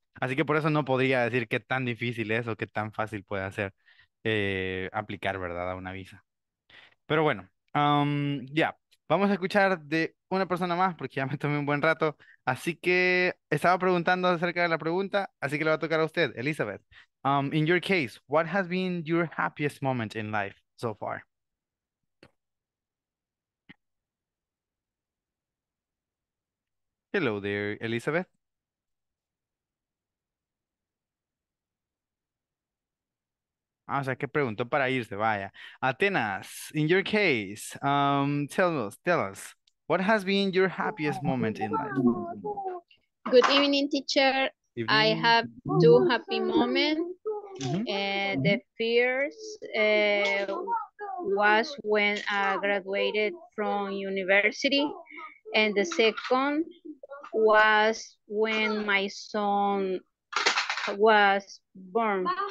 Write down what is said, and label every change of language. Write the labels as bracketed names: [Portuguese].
[Spanish] Así que por eso no podría decir qué tan difícil es o qué tan fácil puede ser aplicar, ¿verdad?, a una visa. Pero bueno, vamos a escuchar de una persona más, porque ya me tomé un buen rato. Así que estaba preguntando acerca de la pregunta, así que le va a tocar a usted, Elizabeth. [English] In your case, what has been your happiest moment in life so far? Hello there, Elizabeth. [Spanish] Ah, o sea, que preguntó para irse, vaya. Atenas, [English] in your case, tell us, what has been your happiest moment in life? Good evening, teacher. Evening. I have two happy moments. The first was when I graduated from university, and the second was when my son was born.